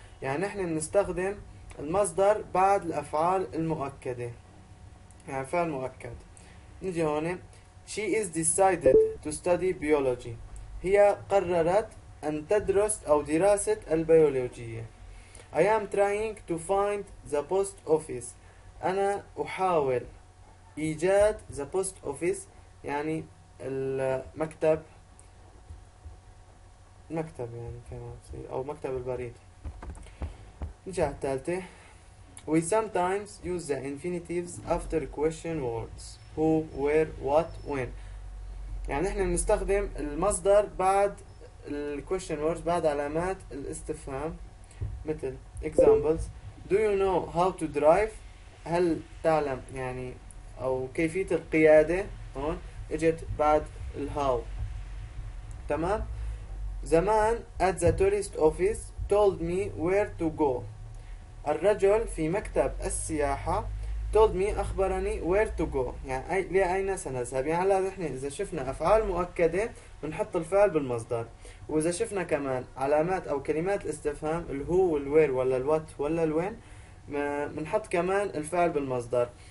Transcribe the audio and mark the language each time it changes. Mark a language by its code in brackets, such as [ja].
[ar] يعني نحن نستخدم المصدر بعد الأفعال المؤكدة يعني فعل مؤكد. نجي هون. [en] She is decided to study biology. [ar] هي قررت أن تدرس أو دراسة البيولوجية. [en] I am trying to find the post office. [ar] أنا أحاول إيجاد [en] the post office [ar] يعني المكتب. المكتب يعني كمان أو مكتب البريد. نجي على التالتة. [en] We sometimes use the infinitives after question words. Who, where, what, when. [ar] يعني نحن نستخدم المصدر بعد ال [en] question words [ar] بعد علامات الاستفهام مثل examples. [en] Do you know how to drive? [ar] هل تعلم يعني أو كيفية القيادة؟ هون اجت بعد ال how. تمام. [en] The man at the tourist office told me where to go. [ar] الرجل في مكتب السياحة [en] told me [ar] أخبرني [en] where to go [ar] يعني أي لأين سنذهب. يعني هلا نحن إذا شفنا أفعال مؤكدة بنحط الفعل بالمصدر، وإذا شفنا كمان علامات أو كلمات الاستفهام ال who وال where ولا ال what ولا ال when بنحط كمان الفعل بالمصدر.